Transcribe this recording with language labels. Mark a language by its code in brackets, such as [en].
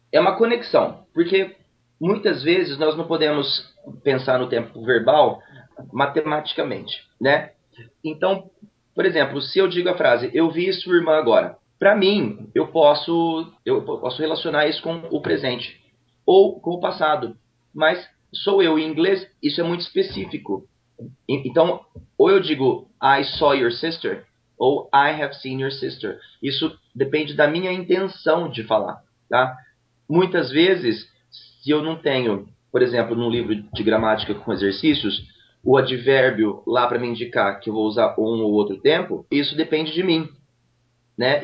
[pt] É uma conexão, porque muitas vezes nós não podemos pensar no tempo verbal matematicamente, né? Então, por exemplo, se eu digo a frase, eu vi sua irmã agora. Para mim, eu posso relacionar isso com o presente ou com o passado. Mas sou eu, em inglês, isso é muito específico. Então, ou eu digo, [en] I saw your sister, ou I have seen your sister. [pt] Isso depende da minha intenção de falar, tá? Muitas vezes, se eu não tenho, por exemplo, num livro de gramática com exercícios, o advérbio lá para me indicar que eu vou usar um ou outro tempo, isso depende de mim, né?